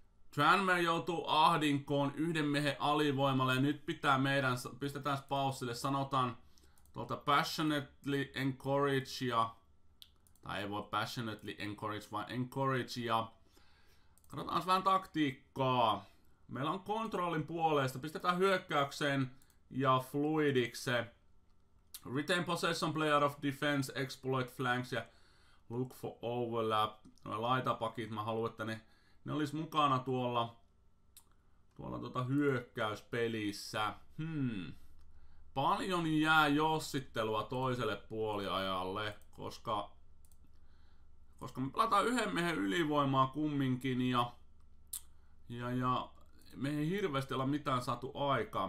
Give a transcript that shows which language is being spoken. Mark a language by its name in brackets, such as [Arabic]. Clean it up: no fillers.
[Finnish] Tranmere joutuu ahdinkoon yhden miehen alivoimalle ja nyt pitää meidän, pistetään paussille, sanotaan tuolta [English] passionately encourage [Finnish] ja, tai ei voi passionately encourage, vaan encourage ja katsotaan vähän taktiikkaa. Meillä on kontrollin puolesta, pistetään hyökkäykseen ja fluidikse. [English] Retain possession, play out of defense, exploit flanks [Finnish] ja [English] look for overlap. [Finnish] No laitapakit, mä haluan, että ne olis mukana tuolla hyökkäyspelissä. Paljon jää jossittelua toiselle puoliajalle, koska me pelataan yhden miehen ylivoimaa kumminkin ja me ei hirveästi olla mitään saatu aikaa.